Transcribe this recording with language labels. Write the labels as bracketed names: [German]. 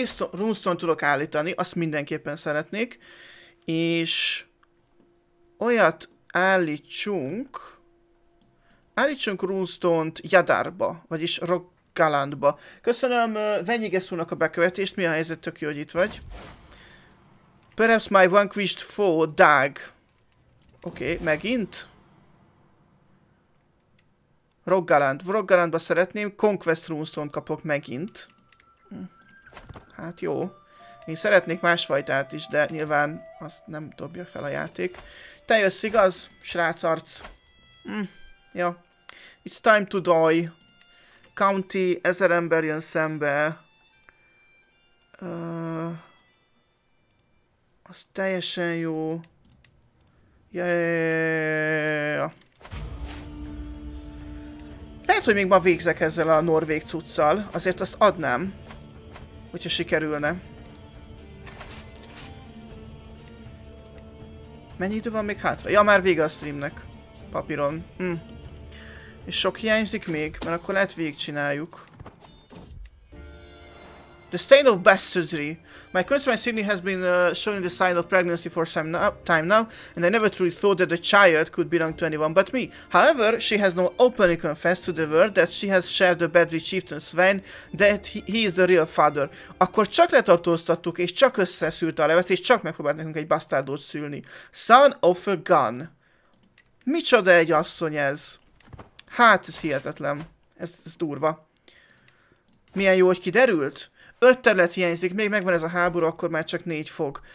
[Hungarian] Runestone tudok állítani, azt mindenképpen szeretnék. És olyat állítsunk Runestone-t Jadarba, vagyis Roggalandba. Köszönöm Venyigesunak a bekövetést, mi a helyzet, tök jó, hogy itt vagy. [English] Perhaps my vanquished foe, Dag. [Hungarian] Oké, megint? Roggalandba szeretném, Conquest Runestone-t kapok megint. Hát jó. Én szeretnék másfajtát is, de nyilván azt nem dobja fel a játék. Te jössz, igaz? Srác arc. Ja. [English] It's time to die. County, [Hungarian] 1000 ember jön szembe. Az teljesen jó. [English] Yeah. [Hungarian] Lehet, hogy még ma végzek ezzel a norvég cuccal. Azért azt adnám. Hogyha sikerülne. Mennyi idő van még hátra? Ja, már vége a streamnek. Papíron. És sok hiányzik még, mert akkor lehet végigcsináljuk. [English] The stain of bastardry. My constable Sydney has been showing the sign of pregnancy for some time now, and I never truly thought that the child could belong to anyone but me. However, she has now openly confessed to the world that she has shared the bed with Chieftain Sven, that he is the real father. [Hungarian] Akkor csak letartóztattuk, és csak összeszűrt a levet, és csak megpróbált nekünk egy bastardot szülni. [English] Son of a gun. [Hungarian] Micsoda egy asszony ez. Hát, ez hihetetlen. Ez durva. Milyen jó, hogy kiderült. 5 terület hiányzik, még megvan ez a háború, akkor már csak 4 fog.